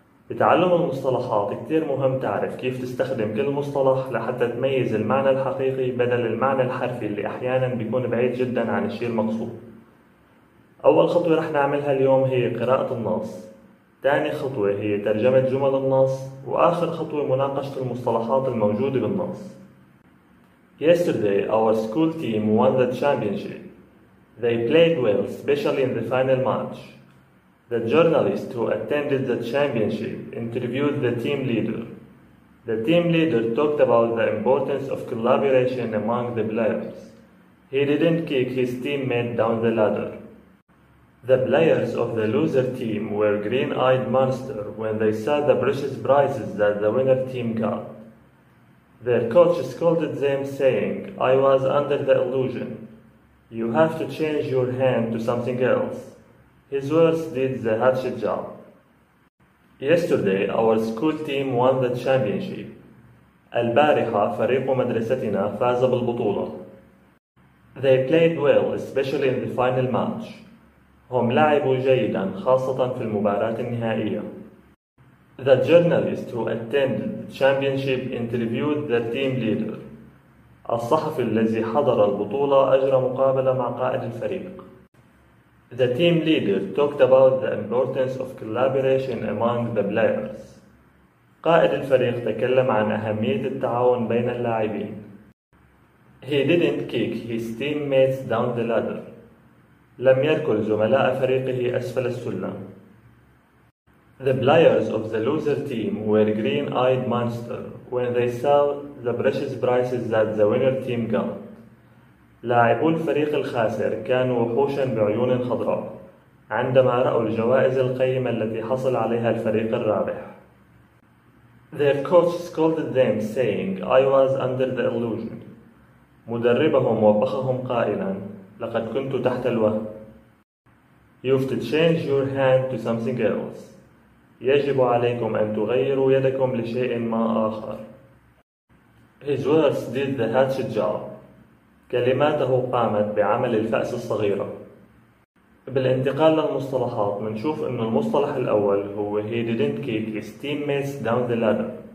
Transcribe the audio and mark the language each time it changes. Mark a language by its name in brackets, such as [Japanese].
[Arabic] بتعلم المصطلحات كتير مهم تعرف كيف تستخدم كل مصطلح لحتى تميز المعنى الحقيقي بدل المعنى الحرفي اللي أحياناً بيكون بعيد جداً عن الشيء المقصود. أول خطوة رح نعملها اليوم هي قراءة النص، تاني خطوة هي ترجمة جمل النص، وآخر خطوة مناقشة المصطلحات الموجودة بالنص. [English] Yesterday our school team won the championship. They played well, especially in the final match. The journalist who attended the championship interviewed the team leader. The team leader talked about the importance of collaboration among the players. He didn't kick his teammate down the ladder. The players of the loser team were green-eyed monster when they saw the precious prizes that the winner team got. Their coach scolded them saying, I was under the illusion. You have to change your hand to something else. His words did the hatchet job. Yesterday, our school team won the championship. [Arabic] البارحة فريق مدرستنا فاز بالبطولة. [English] They played well, especially in the final match. [Arabic] هم لعبوا جيدا خاصة في المباراة النهائية. [English] The journalist who attended the championship interviewed the team leader. [Arabic] الصحفي الذي حضر البطولة أجرى مقابلة مع قائد الفريق. [English] The team leader talked about the importance of collaboration among the players. [Arabic] قائد الفريق تكلم عن أهمية التعاون بين اللاعبين. [English] He didn't kick his teammates down the ladder. [Arabic] لم يركل زملاء فريقه أسفل السلم. [English] The players of the loser team were green-eyed monster when they saw the precious prizes that the winner team got. [Arabic] لاعبو الفريق الخاسر كانوا وحوشا بعيون خضراء عندما رأوا الجوائز القيمة التي حصل عليها الفريق الرابح. [English] Their coach scolded them saying, I was under the illusion. [Arabic] مدربهم وبخهم قائلا, لقد كنت تحت الوهم. [English] You have to change your hand to something else. [Arabic] يجب عليكم أن تغيروا يدكم لشيء ما آخر. [English] His words did the hatchet job. [Arabic] كلماته قامت بعمل الفأس الصغيرة. بالانتقال للمصطلحات منشوف أن المصطلح الأول هو [English] He didn't kick his teammates down the ladder.